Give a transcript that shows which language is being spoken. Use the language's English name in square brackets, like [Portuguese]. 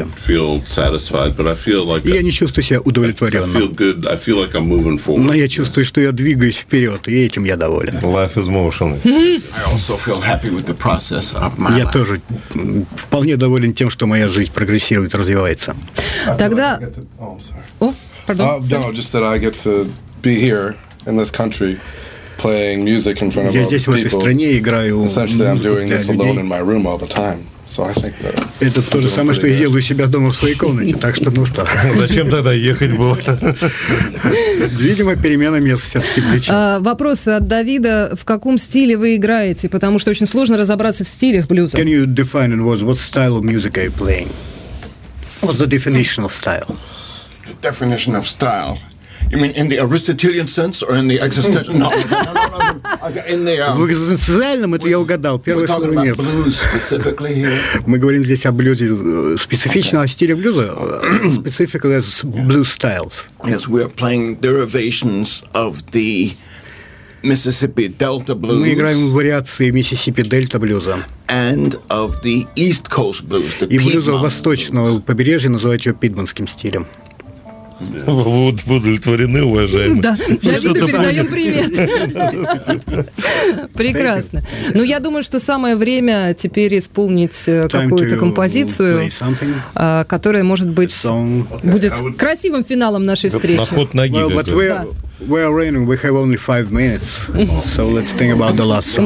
[English] I don't feel satisfied, but I feel like... [Russian] Я не чувствую себя удовлетворенным. [English] I feel good. I feel like I'm moving forward. [Russian] Но я чувствую, что я двигаюсь вперед, и этим я доволен. [English] Life is motion. I also feel happy with the process of my life. [Russian] Я тоже вполне доволен тем, что моя жизнь прогрессирует, развивается. Тогда... [English] No, just that I get to be here in this country playing music in front of other people. [Russian] Я здесь в этой стране играю. [English] Essentially, I'm doing this alone in my room all the time. So I think that. [Russian] Это то же самое, что я делаю у себя дома в своей комнате. Так что, ну что. Зачем тогда ехать было? Видимо, перемена мест все-таки влечет. Вопрос от Давида: в каком стиле вы играете? Потому что очень сложно разобраться в стилях блюза. [English] Can you define in words what style of music are you playing? What's the definition of style? The definition of style. You mean in the Aristotelian sense or in the existential? No. In the [Russian] социальном, это я угадал. Первое слово нет. [English] We're talking about blues specifically here. [Russian] Мы говорим здесь о блюзе, специфичного стиля блюза, [English] specifically as blues styles. Yes, we are playing derivations of the Mississippi Delta blues. [Russian] Мы играем вариации Mississippi Delta blues. [English] And of the East Coast blues. [Russian] И блюза восточного побережья, называют ее пидманским стилем. Вот вы удовлетворены, уважаемые. Да, Давиду передаем привет. Прекрасно. Ну, я думаю, что самое время теперь исполнить какую-то композицию, которая, может быть, будет красивым финалом нашей встречи. На ход ноги. [English] We are raining. We have only 5 minutes, so let's think about the last song.